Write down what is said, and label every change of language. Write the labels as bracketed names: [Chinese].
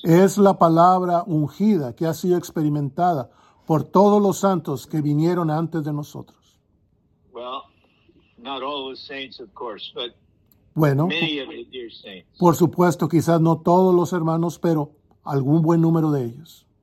[Spanish] Es la palabra ungida que ha sido experimentada por todos los santos que vinieron antes de nosotros. [English] Well, not all the saints, of course, but [Spanish] bueno, por supuesto, quizás no todos los hermanos, pero algún buen número de ellos.